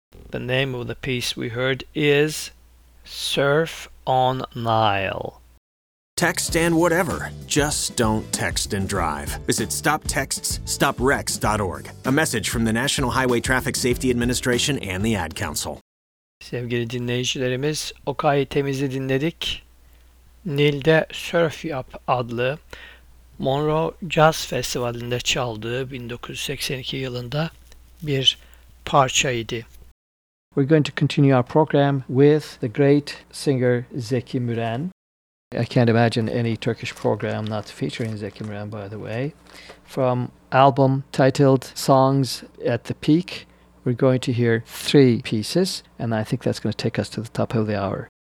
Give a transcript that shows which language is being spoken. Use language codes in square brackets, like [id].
[en] The name of the piece we heard is Surf on Nile. Text and whatever. Just don't text and drive. Visit stoptextsstoprex.org. A message from the National Highway Traffic Safety Administration and the Ad Council. [tr] Sevgili dinleyicilerimiz, Okay Temiz'i dinledik. Nil'de Surf Yap adlı Monroe Jazz Festivali'nde çaldığı 1982 yılında bir parçaydı. [en] We're going to continue our program with the great singer Zeki Müren. I can't imagine any Turkish program not featuring Zeki Müren, by the way. From album titled Songs at the Peak, we're going to hear three pieces, and I think that's going to take us to the top of the hour.